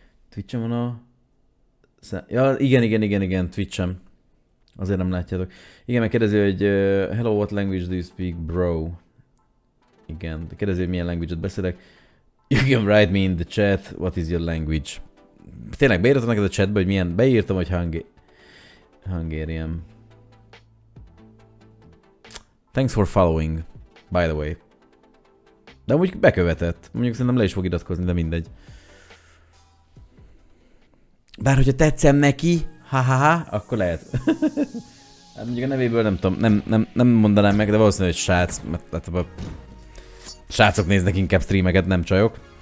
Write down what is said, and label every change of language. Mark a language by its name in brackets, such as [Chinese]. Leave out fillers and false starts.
[Hungarian] Twitch-em van a... ja, igen, Twitch-em. Azért nem látjátok. Igen, meg kérdezi, hogy [English] hello, what language do you speak, bro? [Hungarian] Igen, de kérdezi, hogy milyen language-ot beszélek. [English] You can write me in the chat, what is your language? [Hungarian] Tényleg, beírtam neked a chatbe, hogy milyen... beírtam, hogy Hungarian. [English] Thanks for following, by the way. [Hungarian] De amúgy bekövetett. Mondjuk szerintem le is fog iratkozni, de mindegy. Bár hogyha tetszem neki, ha-ha-ha, akkor lehet. Hát mondjuk a nevéből nem tudom, nem mondanám meg, de valószínűleg egy srác, mert srácok néznek inkább streameket, nem csajok.